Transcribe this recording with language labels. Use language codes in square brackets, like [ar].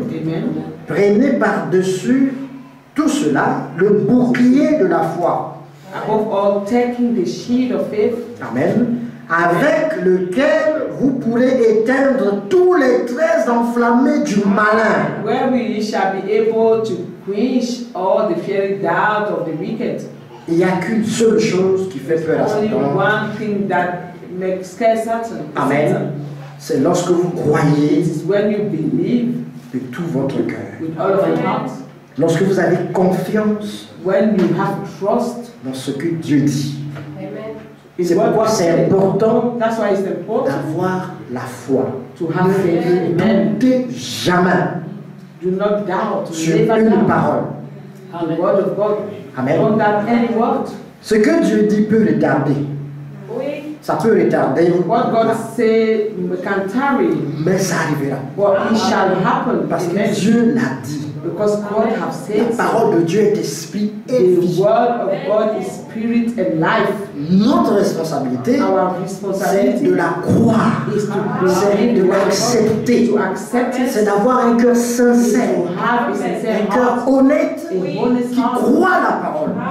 [fr] Amen. Prenez par-dessus tout cela le bouclier de la foi. [en] Above all, taking the shield of faith. Amen. [fr] Avec lequel vous pourrez éteindre tous les traits enflammés du malin. [en] Where we shall be able to quench all the fiery darts of the wicked. [fr] Il n'y a qu'une seule chose qui fait peur à Satan. [en] Only one thing that makes care Satan. [fr] Amen. C'est lorsque vous croyez. [en] It's when you believe. [fr] De tout votre cœur. [en] With all of your heart. [fr] Lorsque vous avez confiance. [en] When you have trust. [fr] Dans ce que Dieu dit. Amen. C'est pourquoi c'est important, [en] that's why it's important [fr] d'avoir la foi. [en] To have [fr] ne doutez jamais. [en] Do not doubt. [fr] Sur une parole. [en] Amen. The word of God. Amen. Don't doubt any word. [fr] Ce que Dieu dit peut retarder. Oui. Ça peut retarder. [en] What God say can tarry. [fr] Mais ça arrivera. [en] But it shall happen. [fr] Parce que Dieu l'a dit. [en] Because God have said. [fr] La parole de Dieu est esprit et vie. [en] The word of God is spirit and life. [fr] Notre responsabilité, c'est de la croire, c'est de l'accepter, c'est d'avoir un cœur sincère, un cœur honnête qui croit la parole.